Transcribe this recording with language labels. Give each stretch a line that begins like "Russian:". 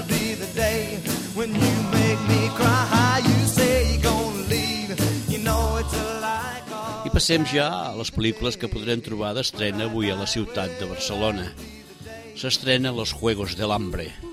English: When you make me cry, you say you're gonna leave. You know it's a lie.
Catalan: I passem ja a les pel·lícules que podrem trobar d'estrena avui a la ciutat de Barcelona. S'estrena Los Juegos del Hambre.